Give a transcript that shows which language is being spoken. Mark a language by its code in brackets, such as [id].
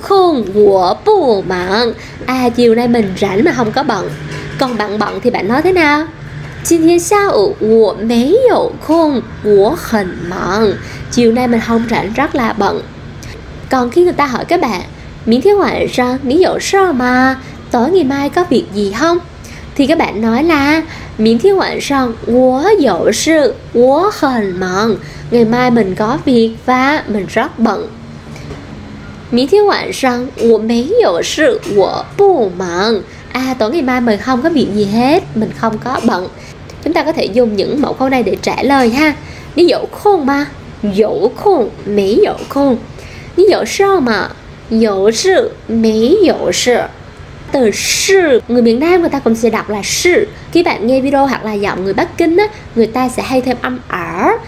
[zh] 今天下午我有空，我不忙。 [vi] À, chiều nay mình rảnh mà không có bận. Còn bạn bận thì bạn nói thế nào? [zh] 今天下午我没有空，我很忙。 [vi] Chiều nay mình không rảnh, rất là bận. Còn khi người ta hỏi các bạn [zh] 明天晚上你有事吗? [vi] Tối ngày mai có việc gì không? Thì các bạn nói là [zh] 明天晚上我有事，我很忙。 [vi] Ngày mai mình có việc và mình rất bận. [zh] 明天晚上我没有事，我不忙。 [vi] À, tối ngày mai mình không có việc gì hết, mình không có bận. Chúng ta có thể dùng những mẫu câu này để trả lời ha. [zh] 你有空吗?有空，没有空。你有事吗?有事，没有事。 [vi] Từ sư, người miền Nam người ta cũng sẽ đọc là sư. Khi bạn nghe video hoặc là giọng người Bắc Kinh á, người ta sẽ hay thêm âm ở.